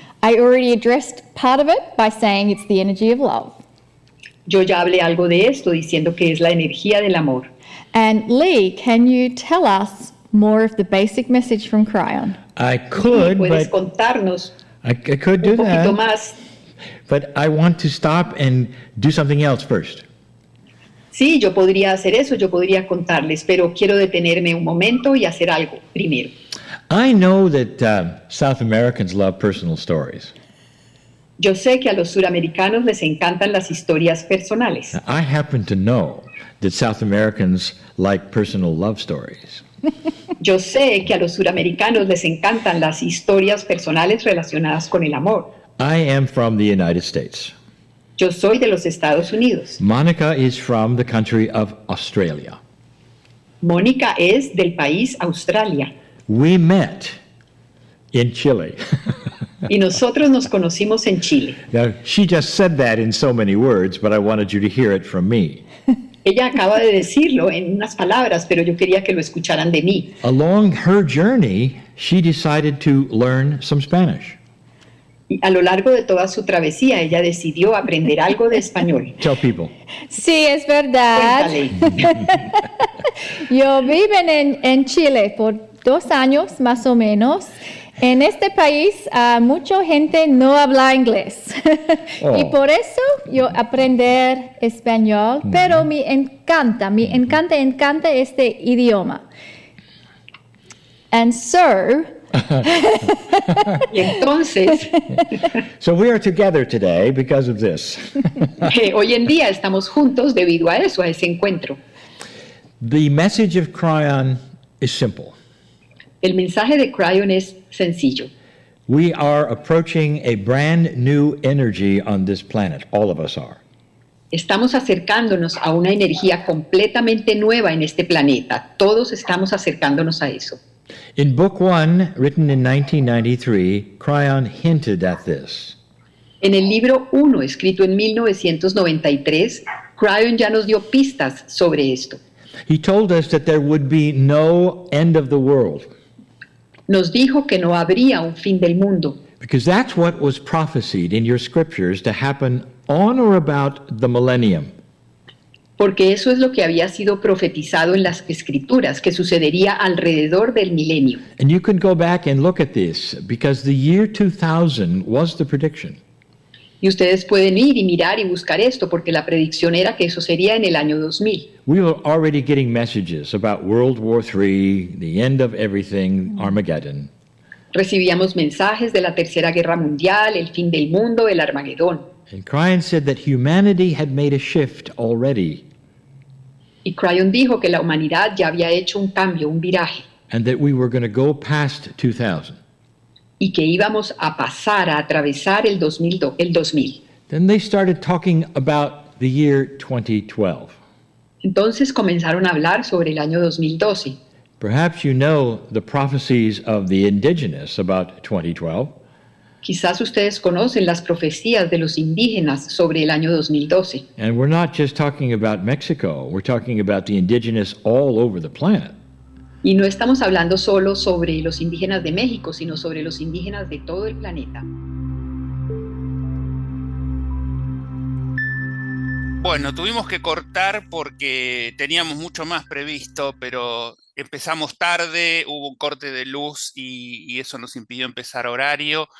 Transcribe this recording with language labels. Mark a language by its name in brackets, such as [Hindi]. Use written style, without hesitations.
[English] I already addressed part of it by saying it's the energy of love. [Spanish] Yo ya hablé algo de esto diciendo que es la energía del amor. [English] And Lee, can you tell us more of the basic message from Kryon? I could, [Spanish] ¿puedes [English] but [Spanish] contarnos? [English] I could do that, [Spanish] más. [English] But I want to stop and do something else first. [Spanish] Sí, yo podría hacer eso, yo podría contarles, pero quiero detenerme un momento y hacer algo primero. [English] I know that South Americans love personal stories. [Spanish] Yo sé que a los suramericanos les encantan las historias personales. [English] I happen to know that South Americans like personal love stories. [Spanish] Yo sé que a los suramericanos les encantan las historias personales relacionadas con el amor. [English] I am from the United States. [Spanish] Yo soy de los Estados Unidos. [English] Monica is from the country of Australia. [Spanish] Mónica es del país Australia. [English] We met in Chile. [Spanish] Y nosotros nos conocimos en Chile. [English] Now, she just said that in so many words, but I wanted you to hear it from me. [Spanish] Ella acaba de decirlo en unas palabras, pero yo quería que lo escucharan de mí. [English] Along her journey, she decided to learn some Spanish. [Spanish] Y a lo largo de toda su travesía, ella decidió aprender algo de español. [English] Tell people. [Spanish] Sí, es verdad. Cuéntale. Yo vivo en Chile por 2 años, más o menos. En este país, mucha gente no habla inglés. Oh. Y por eso yo aprender español, mm-hmm. pero me encanta este idioma. [English] And so... [Spanish] Y entonces... [English] So we are together today because of this. [Spanish] Hoy en día estamos juntos debido a eso, a ese encuentro. [English] The message of Cryon is simple. [Spanish] El mensaje de Cryon es sencillo. [English] We are approaching a brand new energy on this planet. All of us are. [Spanish] Estamos acercándonos a una energía completamente nueva en este planeta. Todos estamos acercándonos a eso. [English] In book one, written in 1993, Cryon hinted at this. [Spanish] En el libro uno, escrito en 1993, Cryon ya nos dio pistas sobre esto. [English] He told us that there would be no end of the world. [Spanish] Nos dijo que no habría un fin del mundo. [English] Because that's what was prophesied in your scriptures to happen on or about the millennium. [Spanish] Porque eso es lo que había sido profetizado en las escrituras, que sucedería alrededor del milenio. [English] And you can go back and look at this, because the year 2000 was the prediction. [Spanish] Y ustedes pueden ir y mirar y buscar esto, porque la predicción era que eso sería en el año 2000. [English] We were already getting messages about World War III, the end of everything, Armageddon. [Spanish] Recibíamos mensajes de la Tercera Guerra Mundial, el fin del mundo, el Armagedón. [English] And Cryon said that humanity had made a shift already. [Spanish] Y Cryon dijo que la humanidad ya había hecho un cambio, un viraje. [English] And that we were going to go past 2000. [Spanish] Y que íbamos a pasar, a atravesar el 2000. [English] Then they started talking about the year 2012. [Spanish] Entonces comenzaron a hablar sobre el año 2012. [English] Perhaps you know the prophecies of the indigenous about 2012. [Spanish] Quizás ustedes conocen las profecías de los indígenas sobre el año 2012. [English] And we're not just talking about Mexico, we're talking about the indigenous all over the planet. [Spanish] Y no estamos hablando solo sobre los indígenas de México, sino sobre los indígenas de todo el planeta. Bueno, tuvimos que cortar porque teníamos mucho más previsto, pero empezamos tarde, hubo un corte de luz y eso nos impidió empezar horario.